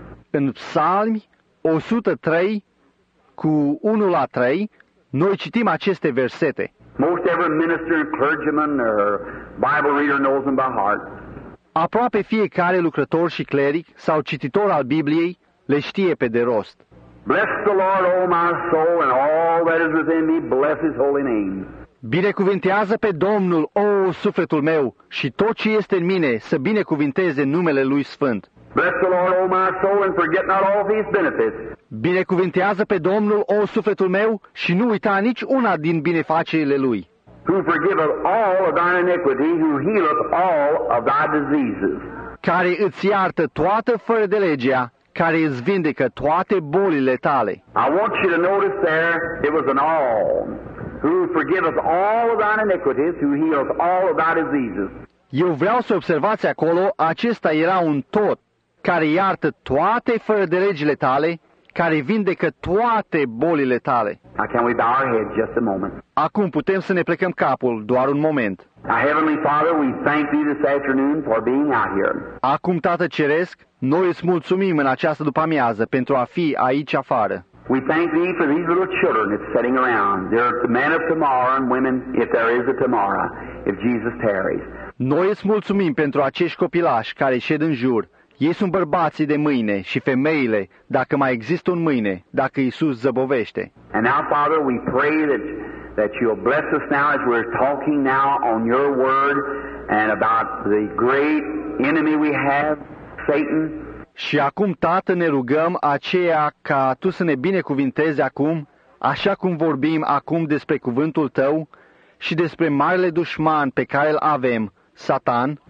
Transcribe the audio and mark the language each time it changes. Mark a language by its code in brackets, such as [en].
[ro] În Psalmi 103 cu 1 la 3, noi citim aceste versete. [en] Most every minister, clergyman or Bible reader knows them by heart. [ro] Aproape fiecare lucrător și cleric sau cititor al Bibliei le știe pe de rost. [en] Bless the Lord, O my soul, and all that is within me, bless His holy name. [ro] Binecuvintează pe Domnul, O sufletul meu, și tot ce este în mine, să binecuvinteze numele Lui Sfânt. [en] Bless the Lord, O my soul, and forget not all these benefits. [ro] Binecuvintează pe Domnul, O sufletul meu, și nu uita nici una din binefacerile Lui. [en] Who forgiveth all of thine iniquity, who healeth all of thy diseases. [ro] Care îți iartă toată fără de legea, care îți vindecă toate bolile tale. [en] I want you to notice there, it was an all. Who forgiveth all of thine iniquities, who healeth all of thy diseases. [ro] Eu vreau să observați acolo, acesta era un tot, care iartă toate fără de legile tale, care vindecă toate bolile tale. [en] Now can we bow our heads just a moment? [ro] Acum putem să ne plecăm capul, doar un moment. [en] Now, Heavenly Father, we thank you this afternoon for being out here. [ro] Acum, Tată Ceresc, noi îți mulțumim în această după-amiază pentru a fi aici afară. [en] We thank thee for these little children that's sitting around. They're the men of tomorrow and women, if there is a tomorrow, if Jesus tarries. [ro] Noi îți mulțumim pentru acești copilași care șed în jur. Ei sunt bărbații de mâine și femeile, dacă mai există un mâine, dacă Iisus zăbovește. [en] And now, Father, we pray that you'll bless us now as we're talking now on your word and about the great enemy we have, Satan. [ro] Și acum, Tată, ne rugăm aceea ca Tu să ne binecuvintezi acum, așa cum vorbim acum despre cuvântul Tău și despre marele dușman pe care îl avem, Satan.